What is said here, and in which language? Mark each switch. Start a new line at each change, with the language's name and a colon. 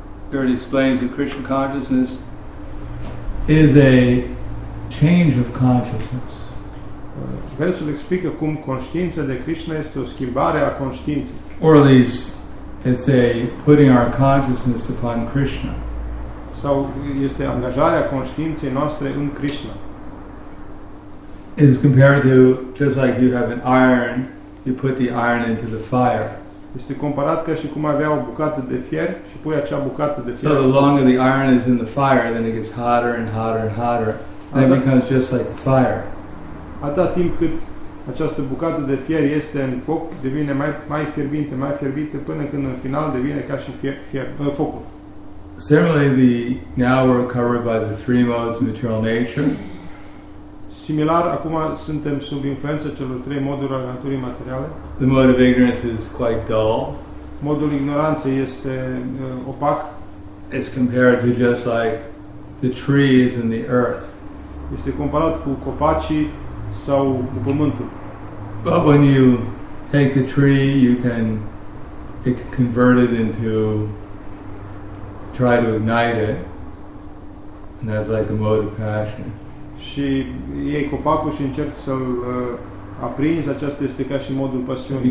English: Here it explains that Krishna consciousness is a change of consciousness.
Romanian: Versul explică cum conștiința de Krishna este o schimbare a conștiinței.
English: Or at least, it's a putting our consciousness upon Krishna.
Romanian: Sau este angajarea conștiinței noastre în Krishna.
English: It is compared to, just like you have an iron, you put the iron into the fire.
Romanian: Este comparat ca și cum avea o bucată de fier și pui acea bucată de fier.
English: So the longer the iron is in the fire, then it gets hotter and hotter and hotter. Then it becomes just like the fire.
Romanian: Atât timp cât această bucată de fier este în foc, devine mai fierbinte, mai fierbinte, până când în final devine ca și focul.
English: Similarly, now we're covered by the three modes of material nature.
Romanian: Similar, acum suntem sub influența celor trei moduri ale naturii materiale.
English: The mode of ignorance is quite dull.
Romanian: Modul ignoranței este opac.
English: It's compared to just like the trees and the earth.
Romanian: Este comparat cu copacii sau cu pământul.
English: But when you take a tree, you can convert it into, try to ignite it, and that's like the mode of passion.
Romanian: Și iei copacul și încerci să-l aprinzi, aceasta este ca și modul pasiunii.